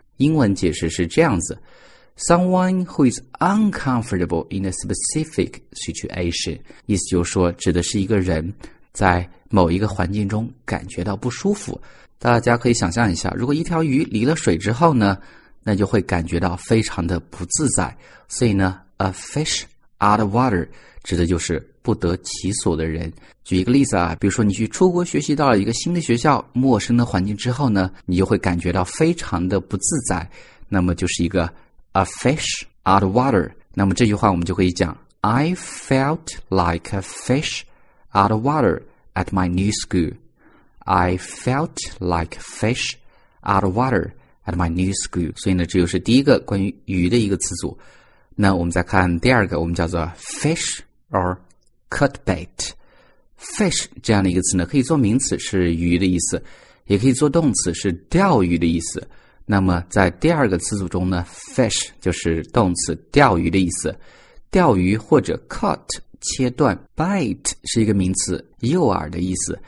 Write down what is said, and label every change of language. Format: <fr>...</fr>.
<zh>英文解释是这样子 ：</zh> <en>someone who is uncomfortable in a specific situation，</en> <zh>意思就是说指的是一个人在某一个环境中感觉到不舒服。大家可以想象一下，如果一条鱼离了水之后呢，那就会感觉到非常的不自在。所以呢</zh> <en>，a fish out of water。</en> <zh>指的就是不得其所的人。举一个例子啊，比如说你去出国学习，到了一个新的学校，陌生的环境之后呢，你就会感觉到非常的不自在，那么就是一个 a fish out of water。那么这句话我们就可以讲</zh> <en>I felt like a fish out of water at my new school I felt like a fish out of water at my new school。</en> <zh>所以呢，这就是第一个关于鱼的一个词组。那我们再看第二个，我们叫做 fish or cut bait。 fish 这样的一个词呢，可以做名词，是鱼的意思，也可以做动词，是钓鱼的意思。那么在第二个词组中呢， fish 就是动词，钓鱼的意思，钓鱼或者 cut 切断， bait 是一个名词，诱饵的意思。</zh>